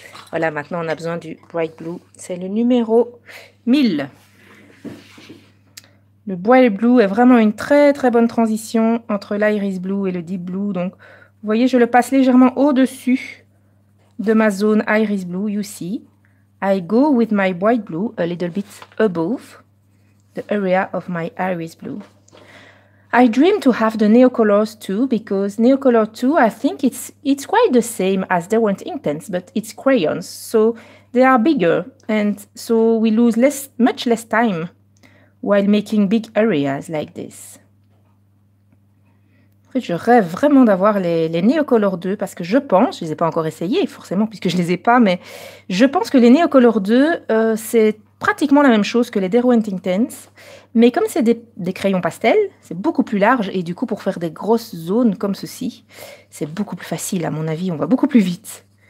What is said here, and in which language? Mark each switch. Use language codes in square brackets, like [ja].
[fr] Voilà, maintenant on a besoin du bright blue. C'est le numéro 1000. Le bright blue est vraiment une très très bonne transition entre l'iris blue et le deep blue. Donc, vous voyez, je le passe légèrement au-dessus de ma zone iris blue. [en] You see, I go with my bright blue a little bit above the area of my iris blue. I dream to have the Neocolors too, because Neocolor 2, I think it's quite the same as they weren't intense, but it's crayons, so they are bigger, and so we lose much less time while making big areas like this. [fr] En fait, je rêve vraiment d'avoir les Neocolor 2, parce que je pense, je ne les ai pas encore essayés, forcément, puisque je ne les ai pas, mais je pense que les Neocolor 2, c'est pratiquement la même chose que les Derwent Intense, mais comme c'est des crayons pastels, c'est beaucoup plus large, et du coup, pour faire des grosses zones comme ceci, c'est beaucoup plus facile, à mon avis, on va beaucoup plus vite.